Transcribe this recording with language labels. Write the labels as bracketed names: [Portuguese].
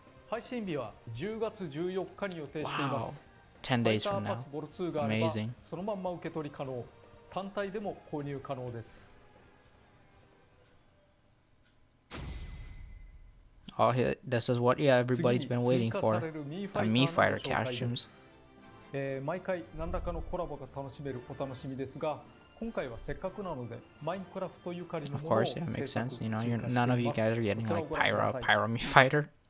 [Japanese] 配信日は10月14日に予定しています。 [English] Wow, 10 days from now. Amazing. [Japanese] そのまま受け取り可能。単体でも購入可能です。 [English] Oh, this is what yeah, everybody's been waiting for. The Mii Fighter costumes. [Japanese] 毎回何らかのコラボが楽しめるお楽しみですが、今回はせっかくなのでマインクラフトゆかりのものを制作しています。 [English] You know, none of you guys are getting like Pyro Mii Fighter.